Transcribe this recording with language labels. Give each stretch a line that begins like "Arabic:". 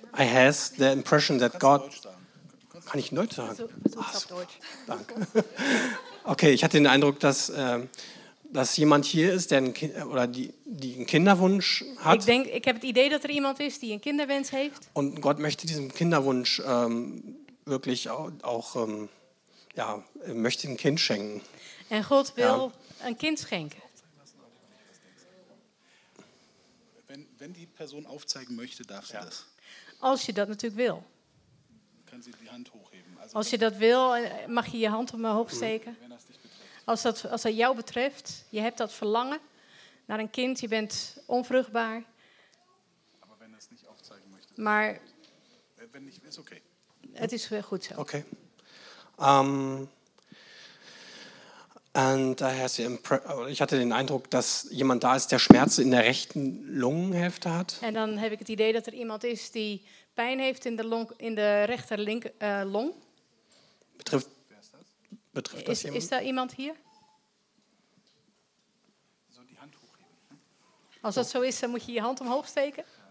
English: I has the impression that God.
German: Kann ich neu sagen? Auf Deutsch. Danke. Okay, ich hatte den Eindruck, dass dass jemand hier ist, der die einen Kinderwunsch hat. Ich habe das Idee, dass er jemand ist, die einen Kinderwunsch hat. Und Gott möchte diesen Kinderwunsch wirklich auch möchte ein Kind schenken. Und Gott will ein Kind schenken. Wenn die Person aufzeigen möchte, darf sie das.
Dutch: Als je dat natuurlijk wil.
German: Kann sie die Hand hochheben.
Dutch: Also als je dat wil, mag je je hand omhoog steken. Als dat jou betreft, je hebt dat verlangen naar een kind, je bent onvruchtbaar.
German: Aber wenn es nicht aufzeigen möchte,
Dutch: maar
German: wenn nicht, ist okay.
Dutch: Het is goed zo. Okay.
German: Und ich hatte den Eindruck, dass jemand da ist, der Schmerzen in der rechten Lungenhälfte hat.
Dutch: En dan heb ik het idee dat er iemand is die pijn heeft in de rechter long.
German: Betrifft das jemand?
Dutch: Is daar iemand hier?
German: So die hand hochheben.
Dutch: Als dat zo is, dan moet je je hand omhoog steken.